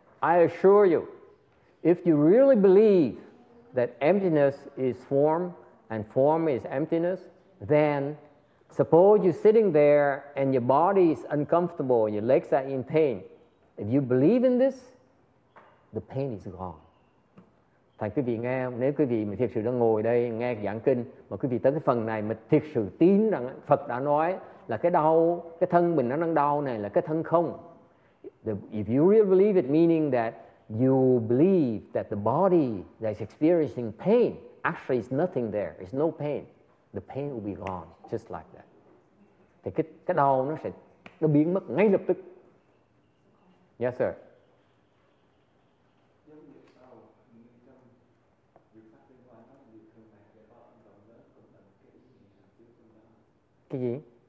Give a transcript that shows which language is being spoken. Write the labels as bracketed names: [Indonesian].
[English] I assure you, if you really believe that emptiness is form and form is emptiness, then suppose you're sitting there and your body is uncomfortable, your legs are in pain. If you believe in this, the pain is gone. [Vietnamese] Thành quý vị nghe, nếu quý vị mà thiệt sự đang ngồi đây nghe giảng kinh mà quý vị tới cái phần này mà thiệt sự tin rằng Phật đã nói là cái đau, cái thân mình nó đang đau này là cái thân không. [English] If you really believe it, meaning that you believe that the body that is experiencing pain actually is nothing there, it's no pain. The pain will be gone, just like that. [Vietnamese] Thì cái đau nó sẽ nó biến mất ngay lập tức. [English] Yes, sir. [Vietnamese] Cái gì?